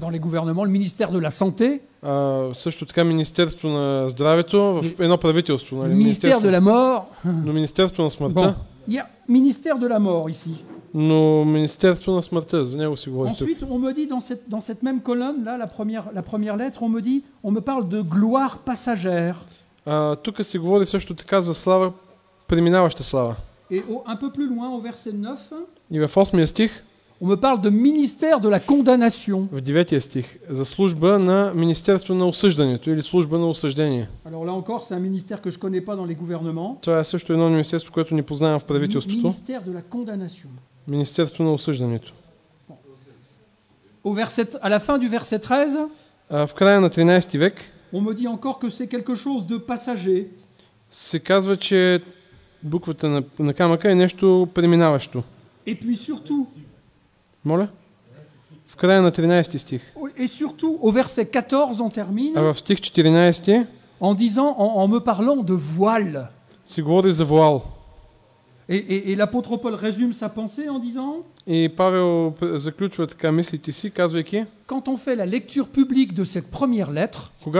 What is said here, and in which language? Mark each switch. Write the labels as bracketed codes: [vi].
[fr] Dans les gouvernements, le ministère de la santé. [bg] Също така Министерство на здравето в едно правителство. [fr] Le ministère de la mort. [bg] Но Министерство на смъртта. [fr] Bon. Yeah. Ministère de la mort ici. [bg] Но Министерство на смъртта, за него си говори. [fr] Ensuite, on me dit dans cette même colonne là, la première lettre, on me parle de gloire passagère. [bg] Тук се говори също така за слава, преминаваща слава. [fr] Et un peu plus loin au verset 9. [bg] И в 8-ми стих. [fr] On me parle de ministère de la condamnation. [bg] В 9-ия стих за служба на Министерство на осъждането или служба на осъждение. [fr] Alors là encore, c'est un ministère que je connais pas dans les gouvernements. [bg] Това е също едно министерство, което не познавам в правителството. [fr] Ministère de la condamnation. [bg] Министерство на осъждането. [fr] Bon. À la fin du verset 13. [bg] В края на 13-ти век. [fr] On me dit encore que c'est quelque chose de passager. [bg] Се казва, че буквата на камъка е нещо преминаващо. [fr] Et puis surtout. [bg] Моля? В края на 13 стих. [fr] Et surtout au verset 14 on termine. [bg] А в стих 14 [fr] en disant en me parlant de voile. [bg] Си говори за воал. [fr] Et l'apôtre Paul résume sa pensée en disant. [bg] И Павел заключва така мислите си, казвайки. [fr] Quand on fait la lecture publique de cette première lettre.